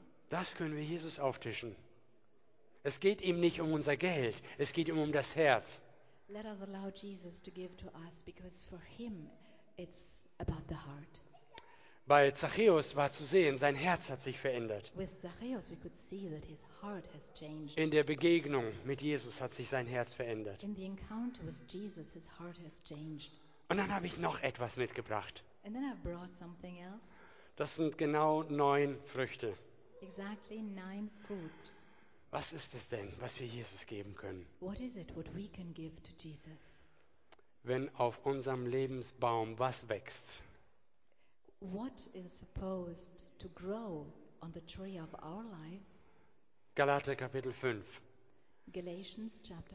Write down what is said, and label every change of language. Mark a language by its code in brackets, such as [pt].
[de] Das können wir Jesus auftischen. Es geht ihm nicht um unser Geld, es geht ihm um das Herz. [en] Let us allow Jesus to give to us, because for him it's about the heart. [de] Bei Zachäus war zu sehen, sein Herz hat sich verändert. [en] With Zachäus, we could see that his heart has changed. [de] In der Begegnung mit Jesus hat sich sein Herz verändert. [en] In the encounter with Jesus, his heart has changed. [de] Und dann habe ich noch etwas mitgebracht. [en] And then I've brought something else. [de] Das sind genau 9 Früchte. [en] Exactly 9 fruit. [de] Was ist es denn, was wir Jesus geben können? [en] What is it, what we can give to Jesus? [de] Wenn auf unserem Lebensbaum was wächst? [en] What is supposed to grow on the tree of our life? [de] Galater Kapitel 5. [en] Galatians chapter